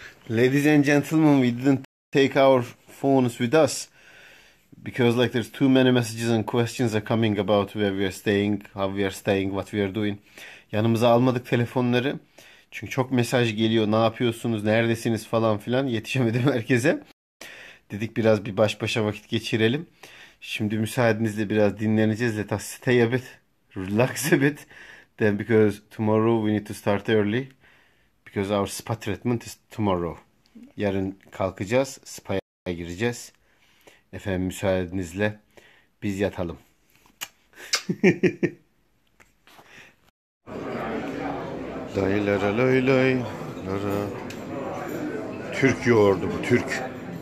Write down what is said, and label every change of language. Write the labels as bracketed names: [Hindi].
[English] Ladies and gentlemen, we didn't take our phones with us. Because like there's too many messages and questions are coming about where we are staying, how we are staying, what we are doing. [Turkish] Yanımıza almadık telefonları. Çünkü çok mesaj geliyor. Ne yapıyorsunuz? Neredesiniz falan filan. Yetişemedim herkese. Dedik biraz bir baş başa vakit geçirelim. Şimdi müsaadenizle biraz dinleneceğiz. [English] Let us stay a bit. Relax a bit. Then because tomorrow we need to start early. Because our spa treatment is tomorrow. [Turkish] Yarın kalkacağız. Spa'ya gireceğiz. Efendim müsaadenizle biz yatalım. Day lara lara. Türk yoğurdu bu, Türk.